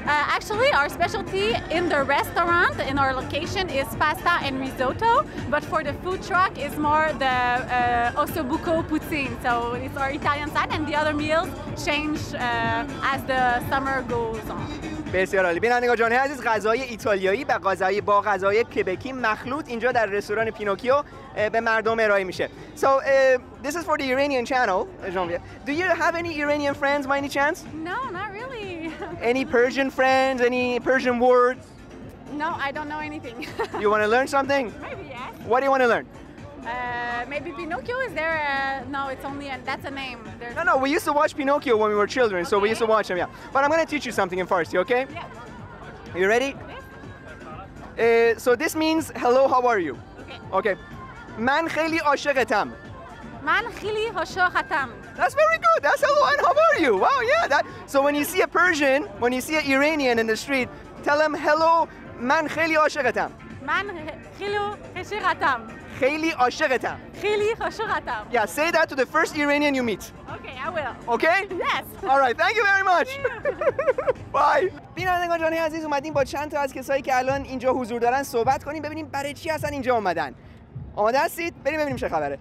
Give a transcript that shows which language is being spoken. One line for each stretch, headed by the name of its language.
English: Actually, our specialty in the restaurant, in our location, is pasta and risotto. But for the food truck, it's more the osso buco poutine. So it's our Italian side, and the other meals change as the summer goes on.
Persian: بسیار عالی. بینندگان جان عزیز غذای ایتالیایی و غذای با غذای کبکی مخلوط اینجا در رستوران پینوکیو به مردم ارائه میشه.
English: So this is for the Iranian channel, Jean-Vier. Do you have any Iranian friends by any chance? No, not really. Any Persian friends? Any Persian words? No, I don't know anything. You want to learn something? Maybe, yeah. What do you want to learn? Maybe Pinocchio, is there that's a name. There's no, we used to watch Pinocchio when we were children, okay. So we used to watch him, yeah. But I'm going to teach you something in Farsi, okay? Yeah. You ready? Yeah. So this means, hello, how are you? Okay.
Persian: Man khili ashegetam. Man khili hoshokhatam.
English: That's very good, that's hello and how are you? Wow, yeah. So when you see a Persian, when you see an Iranian in the street, tell him, hello,
Persian: man khili ashegetam. Man khili hoshokhatam. خیلی عاشقتم. خیلی عاشقتم.
English: Yeah, say that to the first Iranian you meet. Okay, I will. Okay? Yes. All right, thank you very much. Bye.
Persian: بینندگان جان عزیز اومدیم با چند تا از کسایی که الان اینجا حضور دارن صحبت کنیم ببینیم برای چی اصلا اینجا اومدن. آماده هستید؟ بریم ببینیم چه خبره.